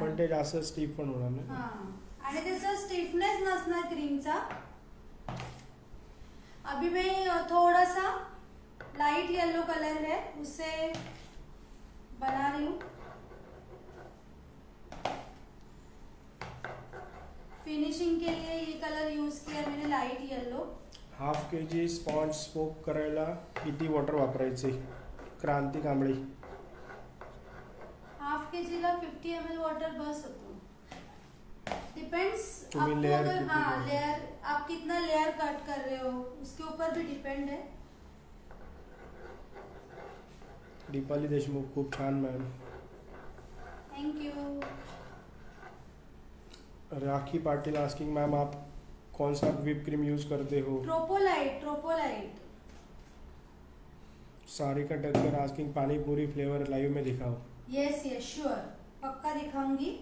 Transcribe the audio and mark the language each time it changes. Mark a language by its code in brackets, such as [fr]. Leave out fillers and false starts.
[mr] पण ते जास्त स्टीफ पण होणार नाही आणि त्याचा स्टीफनेस नसणार क्रीमचा [hi] अभी मी थोडा सा लाइट येलो कलर है उसे बना रही हूँ फिनिशिंग के लिए ये कलर यूज किया मैंने लाइट येलो। [mr] हाफ के जी स्पॉन्ज स्पोक करेला किती वॉटर वापरायचे? क्रांति कांबळी हाफ के जी ला 50 ml वॉटर बस होतो। [hi] डिपेंड्स आपको अगर लेयर आप कितना लेयर कट कर रहे हो उसके ऊपर भी डिपेंड है। [mr] दीपाली देशमुख खूब छान ma'am. [en] Thank you. [hi] Rakhi Patil asking ma'am आप कौन सा व्हिप क्रीम यूज करते हो? ट्रोपोलाइट। ट्रोपोलाइट। सारिका डक्कर आस्किंग पानी पूरी फ्लेवर लाइव में दिखाओ। यस यस श्योर पक्का दिखाऊंगी